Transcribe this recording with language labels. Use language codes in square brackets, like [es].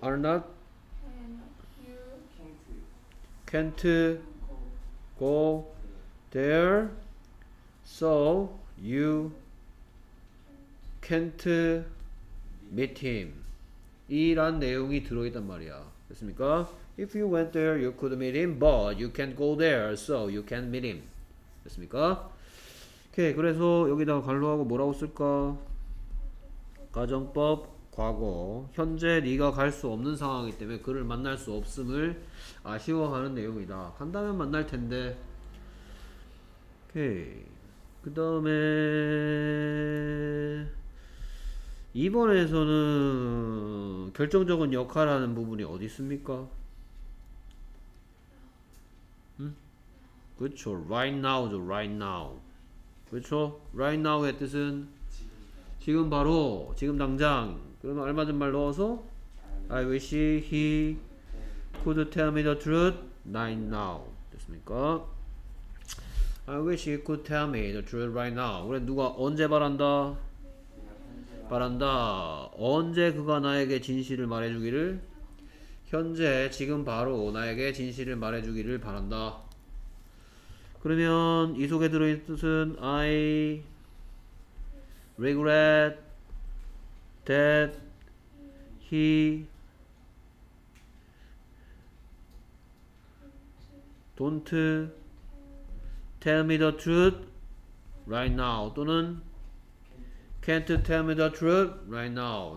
[en] Are not can't go there, so you can't meet him. [ko] 이란 내용이 들어있단 말이야. 됐습니까? [en] If you went there, you could meet him, but you can't go there, so you can't meet him. [ko] 됐습니까? 오케이. 그래서 여기다가 갈로하고 뭐라고 쓸까? 가정법 과거 현재 네가 갈수 없는 상황이기 때문에 그를 만날 수 없음을 아쉬워하는 내용이다. 간다면 만날 텐데. 오케이. 그 다음에 이번에서는 결정적인 역할하는 부분이 어디 있습니까? 그쵸. [en] Right now죠. Right now. 그쵸. Right now [ko] 의 뜻은 지금 바로, 지금 당장. 그러면 알맞은 말 넣어서 [en] I wish he could tell me the truth right now. [ko] 됐습니까? [en] I wish he could tell me the truth right now. [ko] 우리 누가 언제 바란다? 바란다. 언제 그가 나에게 진실을 말해주기를? 현재, 지금 바로 나에게 진실을 말해주기를 바란다. 그러면 이 속에 들어있는 뜻은 [en] I regret that he don't tell me the truth right now 또는 can't tell me the truth right now.